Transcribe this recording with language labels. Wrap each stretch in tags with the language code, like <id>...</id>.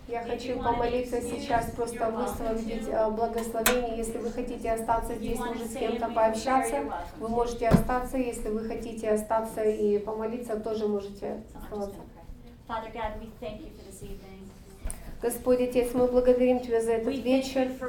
<ru>Я хочу помолиться сейчас, просто высвободить благословение. Если вы хотите остаться здесь, может, с кем-то пообщаться, вы можете остаться. Если вы хотите остаться и помолиться, тоже можете остаться.</ru> <en>Father God, we thank you for this evening.</en> <ru>Господь Отец, мы благодарим Тебя за этот вечер.</ru>